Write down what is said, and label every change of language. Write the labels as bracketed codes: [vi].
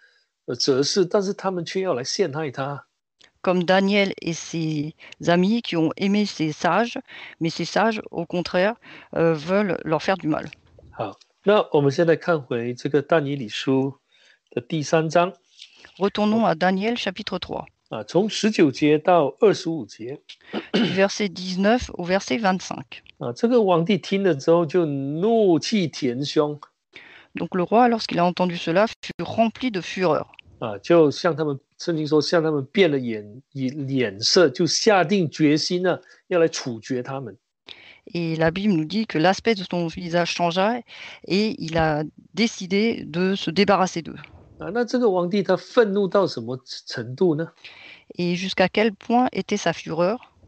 [zh] Ah，就好像丹尼里跟他朋友爱这些巴比伦人这些哲士，但是他们却要来陷害他。 [fr] Comme Daniel et ses amis qui ont aimé ces sages, mais ces sages, au contraire, veulent leur faire du mal. [zh] 好，那我们现在看回这个但以理书的第3章。 [fr] Retournons à Daniel chapitre 3, [zh] 从19节到25节。 [fr] verset 19 au verset 25. [zh] 这个王帝听了之后就怒气填胸。 [fr] Donc le roi, lorsqu'il a entendu cela, fut rempli de fureur. [zh] 就向他们，圣经说向他们变了眼色，就下定决心呢，要来处决他们。 [fr] Et la Bible nous dit que l'aspect de son visage changea et il a décidé de se débarrasser d'eux. [zh] 那这个王帝他愤怒到什么程度呢？ [fr] Et jusqu'à quel point était sa fureur?